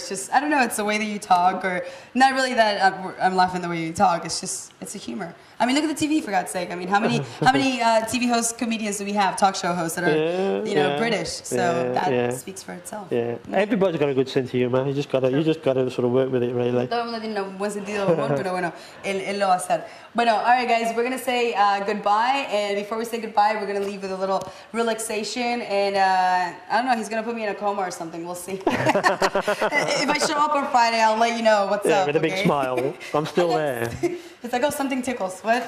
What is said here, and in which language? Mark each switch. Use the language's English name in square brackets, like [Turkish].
[English] It's just, I don't know, it's the way that you talk, or not really that I'm laughing the way you talk. It's just, it's a humor. I mean, look at the TV, for God's sake. I mean, how many TV hosts, comedians do we have, talk show hosts that are, British? So that speaks for itself. Yeah. Everybody's got a good sense of humor. You just got to sort of work with it, really. [Spanish] Todo el mundo tiene buen sentido humor, pero bueno, él lo va a hacer. [English] Bueno, all right, guys, we're going to say goodbye. And before we say goodbye, we're going to leave with a little relaxation. And I don't know, he's going to put me in a coma or something. We'll see. If I show up on Friday, I'll let you know what's up. Yeah, with a big smile. I'm still there. It's like, oh, something tickles. What?